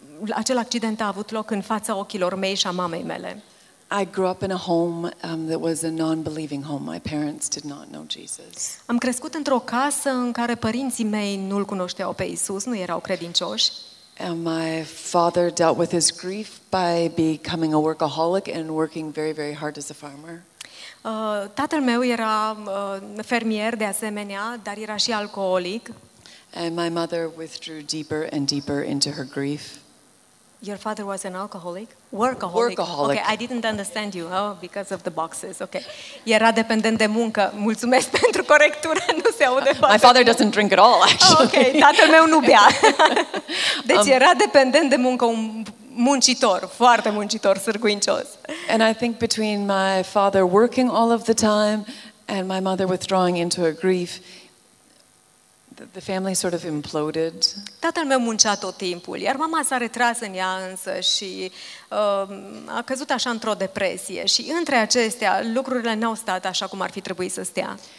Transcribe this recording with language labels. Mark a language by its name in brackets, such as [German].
[Romanian] Acel accident a avut loc în fața ochilor mei și a mamei mele. [English] I grew up in a home that was a non-believing home. My parents did not know Jesus. [Romanian] Am crescut într-o casă în care părinții mei nu-l cunoșteau pe Isus, nu erau credincioși. [English] And my father dealt with his grief by becoming a workaholic and working very, very hard as a farmer. [Romanian] Tatăl meu era fermier de asemenea, dar era și alcoolic. [English] And my mother withdrew deeper and deeper into her grief. Your father was an alcoholic? Workaholic. Okay, I didn't understand you, huh? Because of the boxes. Okay. [Romanian] Era dependent de muncă. Mulțumesc pentru corectură. Nu se aude foarte. [English] My father doesn't drink at all, actually. [Romanian] Okay, tatăl meu nu bea. Deci era dependent de muncă, un muncitor, foarte muncitor, sârguincios. [English] And I think between my father working all of the time and my mother withdrawing into her grief, the family sort of imploded. [Romanian] Tatăl meu muncea tot timpul, iar mama s-a retras în ea însă și a căzut așa într-o depresie și între acestea lucrurile n-au stat așa cum ar fi trebuit să stea.